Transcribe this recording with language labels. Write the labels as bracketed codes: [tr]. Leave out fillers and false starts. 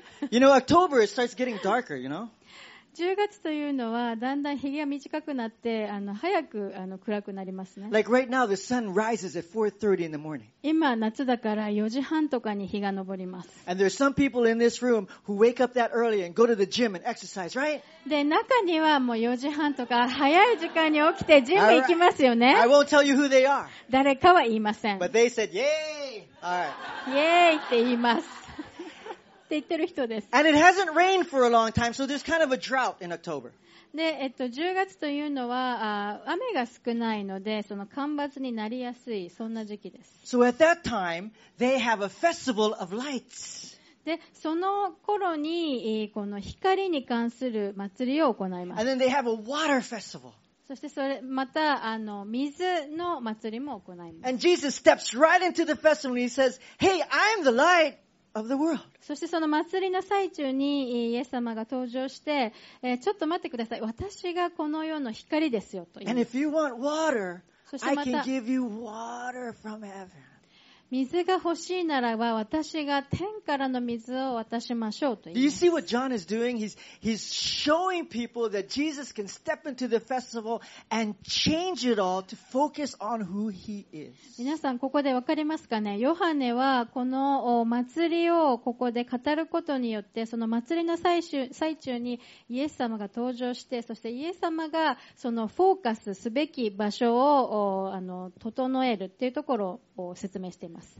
[en] you know, October, it starts getting darker, you know? [ja] 10月というのはだんだん日が短くなって早く暗くなりますね。 [en] Like right now, the sun rises at 4:30 in the morning. [ja] 今夏だから4時半とかに日が昇ります。 [en] And there's some people in this room who wake up that early and go to the gym and exercise, right? [ja] で、中にはもう4時半とか早い時間に起きてジム行きますよね。 [en] I won't tell you who they are. [ja] 誰かは言いません。 [en] But they said, yay! All right. [ja] イェーイって言います。って言ってる人です。 [en] And it hasn't rained for a long time, so there's kind of a drought in October. [ja] で、10月というのは雨が少ないので、その干ばつになりやすいそんな時期です。 [en] So at that time, they have a festival of lights. [ja] で、その頃にこの光に関する祭りを行います。 [en] And then they have a water festival. [ja] そしてそれまた水の祭りも行います。 [en] And Jesus steps right into the festival and he says, "Hey, I'm the light." Of the world. [ja] そしてその祭りの最中にイエス様が登場して、ちょっと待ってください。私がこの世の光ですよと言います。 [en] And if you want water, I can give you water from heaven. [ja] 水が欲しいならば私が天からの水を渡しましょうと言います。 [en] Do you see what John is doing? He's showing people that Jesus can step into the festival and change it all to focus on who he is. [ja] 皆さんここでわかりますかね？ヨハネはこの祭りをここで語ることによってその祭りの最中にイエス様が登場してそしてイエス様がそのフォーカスすべき場所を整えるっていうところを説明しています。